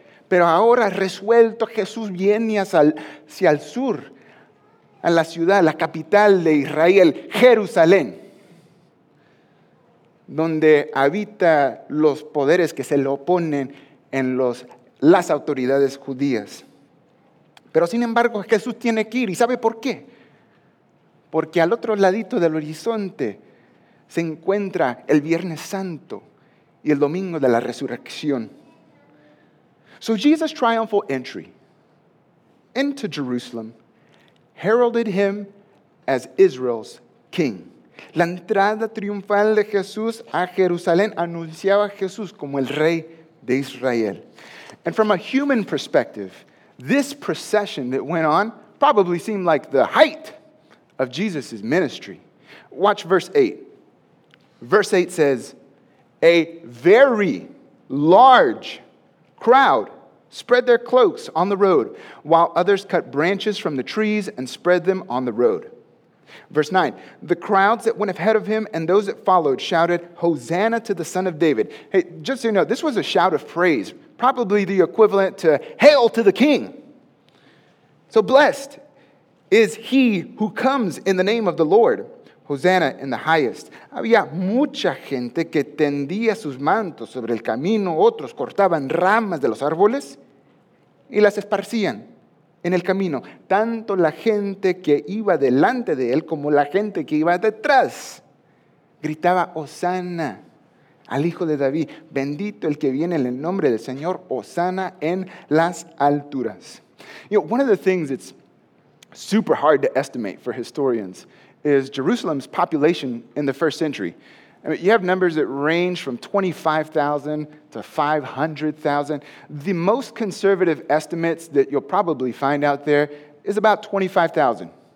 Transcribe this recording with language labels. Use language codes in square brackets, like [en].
[es] Pero ahora resuelto, Jesús viene hacia el sur, a la ciudad, la capital de Israel, Jerusalén, donde habita los poderes que se le oponen en las autoridades judías. Pero sin embargo, Jesús tiene que ir, ¿y sabe por qué? Porque al otro ladito del horizonte se encuentra el Viernes Santo y el Domingo de la Resurrección. [en] So Jesus' triumphal entry into Jerusalem heralded him as Israel's king. [es] La entrada triunfal de Jesús a Jerusalén anunciaba a Jesús como el rey de Israel. [en] And from a human perspective, this procession that went on probably seemed like the height of Jesus' ministry. Watch verse 8. Verse 8 says, a very large crowd spread their cloaks on the road, while others cut branches from the trees and spread them on the road. Verse 9, the crowds that went ahead of him and those that followed shouted, Hosanna to the Son of David. Hey, just so you know, this was a shout of praise, probably the equivalent to hail to the king. So blessed is he who comes in the name of the Lord. Hosanna in the highest. [es] Había mucha gente que tendía sus mantos sobre el camino. Otros cortaban ramas de los árboles y las esparcían en el camino. Tanto la gente que iba delante de él como la gente que iba detrás gritaba, Hosanna al Hijo de David. Bendito el que viene en el nombre del Señor. Hosanna en las alturas. [en] You know, one of the things that's super hard to estimate for historians is Jerusalem's population in the first century. I mean, you have numbers that range from 25,000 to 500,000. The most conservative estimates that you'll probably find out there is about 25,000.